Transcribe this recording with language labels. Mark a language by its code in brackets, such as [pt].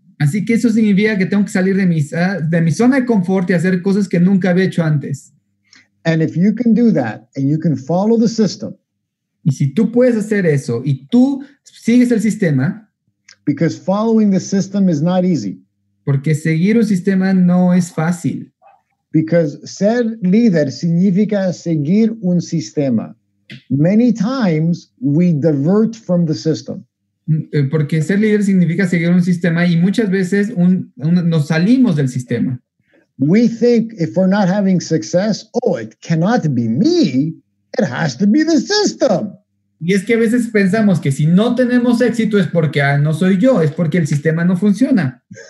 [es] Así que eso significa que tengo que salir de mi zona de confort y hacer cosas que nunca había hecho antes. [en] And if you can do that and you can follow the system. [es] Y si tú puedes hacer eso y tú sigues el sistema. [en] Because following the system is not easy. [es] Porque seguir un sistema no es fácil. Because ser líder significa seguir un sistema. [en] Many times we divert from the system. [es] Porque ser líder significa seguir un sistema y muchas veces nos salimos del sistema. [en] We think if we're not having success, oh, it cannot be me. It has to be the system. [es] Y es que a veces pensamos que si no tenemos éxito es porque no soy yo, es porque el sistema no funciona.